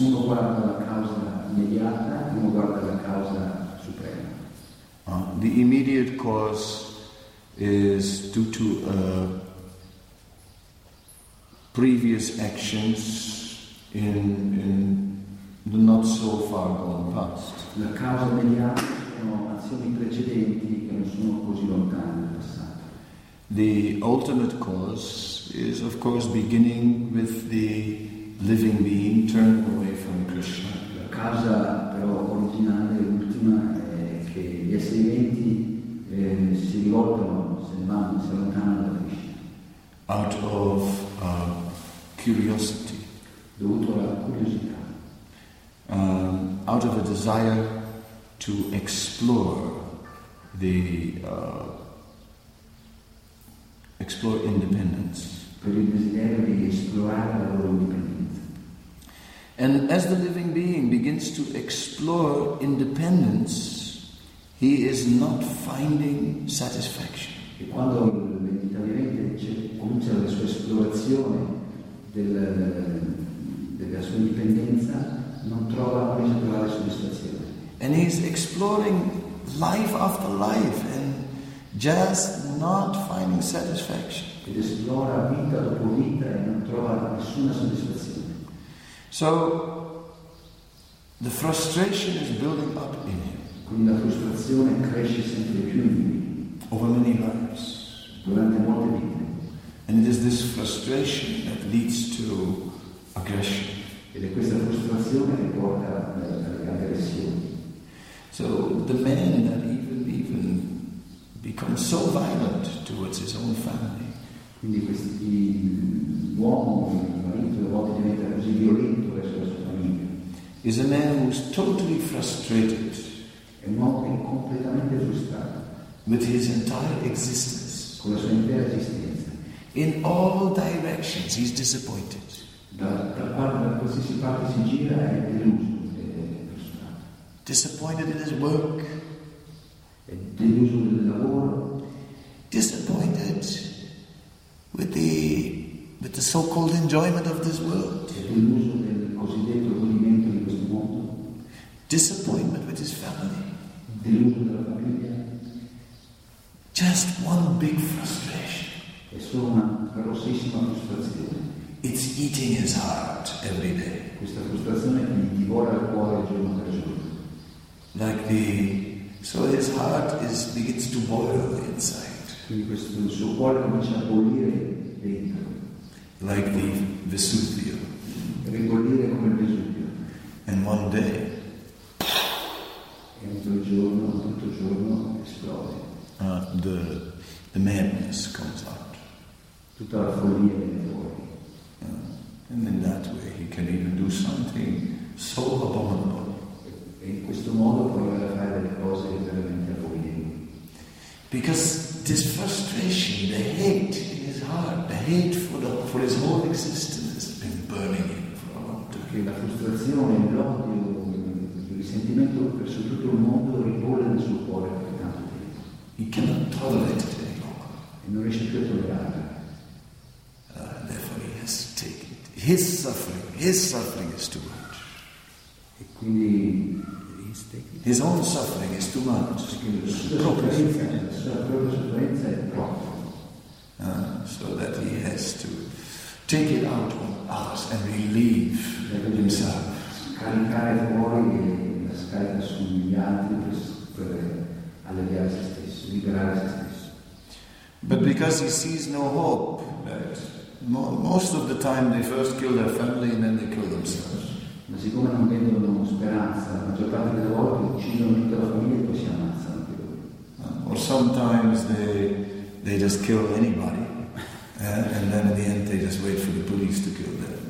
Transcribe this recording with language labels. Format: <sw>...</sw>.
<it>Uno guarda la causa immediata, uno guarda la causa suprema.</it> <en>The immediate cause is due to previous actions in the not so far gone past.</en> <it>La causa degli atti sono azioni precedenti che non sono così lontane dal passato.</it> <en>The ultimate cause is of course beginning with the living being turned away from Krishna.</en> <it>La causa però originale e ultima è che gli esseri viventi si rivoltano, se ne vanno, si allontanano da Krishna.</it> <en>Out of curiosity,</en> <it>dovuto alla curiosità,</it> <en>out of a desire to explore the explore independence,</en> <it>per il desiderio di esplorare la loro indipendenza.</it> <en>And as the living being begins to explore independence, he is not finding satisfaction.</en> <it>E quando l'entità vivente comincia la sua esplorazione della sua indipendenza, non trova particolare soddisfazione.</it> <en>And he's exploring life after life and just not finding satisfaction.</en> <it>Ed esplora vita dopo vita e non trova nessuna soddisfazione.</it> <en>So the frustration is building up in him.</en> <it>Quindi la frustrazione cresce sempre più in lui.</it> <en>Over many lives.</en> <it>Durante molte vite.</it> <en>And it is this frustration that leads to aggression.</en> <it>Ed è questa frustrazione che porta all'aggressione.</it> <en>So the man that even becomes so violent towards his own family.</en> <it>Quindi questi uomo, il marito, a volte diventa così violento verso la sua famiglia.</it> <en>Is a man who's totally frustrated.</en> <it>È un uomo che è completamente frustrato.</it> <en>With his entire existence.</en> <it>Con la sua intera esistenza.</it> <en>In all directions he's disappointed.</en> <it>Da qualsiasi parte si gira è deluso, è frustrato.</it> <en>Disappointed in his work.</en> <it>È deluso nel lavoro.</it> <en>Disappointed with the so-called enjoyment of this world.</en> <it>È deluso nel cosiddetto godimento di questo mondo.</it> <en>Disappointment with his family.</en> <it>Deluso della famiglia.</it> <en>Just one big frustration.</en> <it>È solo una grossissima frustrazione.</it> <en>It's eating his heart every day.</en> <it>Questa frustrazione gli divora il cuore giorno per giorno.</it> <en>Like the so his heart is begins to boil inside.</en> <it>Quindi questo il suo cuore comincia a bollire dentro.</it> <en>Like the Vesuvio.</en> <it>E bollire come il Vesuvio.</it> <en>And one day.</en> <it>E un giorno esplode.</it> <en>The madness comes out.</en> <it>Tutta la follia viene fuori.</it> <en>And in that way he can even do something so abominable.</en> <it>E in questo modo può fare delle cose veramente abominabili.</it> <en>Because this frustration, the hate in his heart, the hate for his whole existence has been burning him for a long time.</en> <it>Perché la frustrazione, l'odio, il risentimento verso tutto il mondo ribolle nel suo cuore per tanto tempo.</it> <en>He cannot tolerate it any longer.</en> <it>E non riesce più a tollerare.</it> <en>Therefore he has to take it. His suffering is too much.</en> <it>E quindi</it> <en>he's taking it. His own suffering is too much.</en> <it>La sua propria sofferenza è troppo.</it> <en>So that he has to take it out on us and relieve himself.</en> <it>Scaricare fuori e la scarica sugli altri per alleviare se stesso, liberare se stesso.</it> <en>But because he sees no hope that most of the time they first kill their family and then they kill themselves.</en> <it>Ma siccome non vedono speranza, la maggior parte delle volte uccidono tutta la famiglia e poi si ammazzano anche loro.</it> <en>or sometimes they just kill anybody, and then at the end they just wait for the police to kill them.</en>